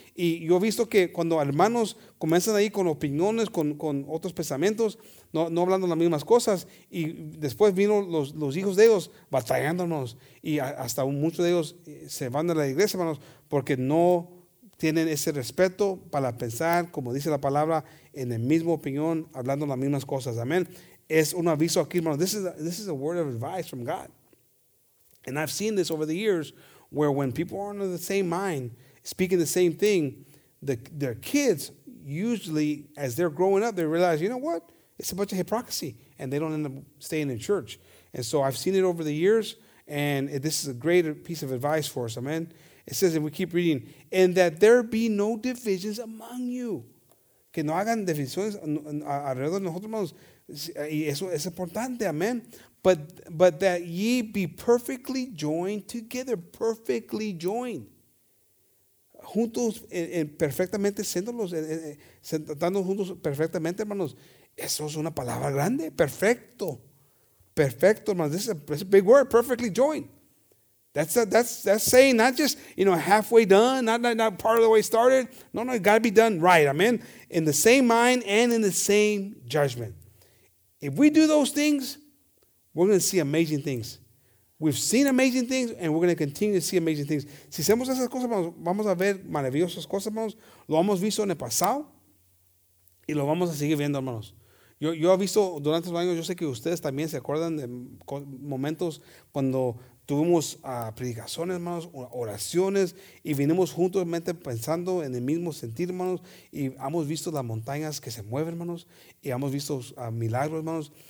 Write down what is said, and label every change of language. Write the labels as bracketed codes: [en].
[es] Y yo he visto que cuando hermanos comienzan ahí con opiniones, con otros pensamientos, no hablando las mismas cosas, y después vino los hijos de ellos batallándonos, y hasta muchos de ellos se van de la iglesia, hermanos, porque no tienen ese respeto para pensar, como dice la palabra, en la misma opinión, hablando las mismas cosas. Amén. es un aviso aquí, hermano. [en] This is a word of advice from God. And I've seen this over the years where when people are under the same mind, speaking the same thing, their kids usually, as they're growing up, they realize, you know what? It's a bunch of hypocrisy, and they don't end up staying in church. And so I've seen it over the years, and this is a great piece of advice for us, amen? It says, and we keep reading, and that there be no divisions among you. [es] Que no hagan divisiones alrededor de nosotros, hermanos. Y eso es importante, amen? [en] But that ye be perfectly joined together, perfectly joined. [es] Juntos, perfectamente, siéndolos, sentando juntos perfectamente, hermanos. Eso es una palabra grande, perfecto. Perfecto, hermanos. [en] This is a big word, perfectly joined. That's saying not just, you know, halfway done, not part of the way started. No, no, it got to be done right, amen? In the same mind and in the same judgment. If we do those things, we're going to see amazing things. We've seen amazing things, and we're going to continue to see amazing things. [es] Si hacemos esas cosas, hermanos, vamos a ver maravillosas cosas, hermanos. Lo hemos visto en el pasado, y lo vamos a seguir viendo, hermanos. Yo he visto durante los años, yo sé que ustedes también se acuerdan de momentos cuando tuvimos predicaciones, hermanos, oraciones, y vinimos juntos mente, pensando en el mismo sentir, hermanos, y hemos visto las montañas que se mueven, hermanos, y hemos visto milagros, hermanos.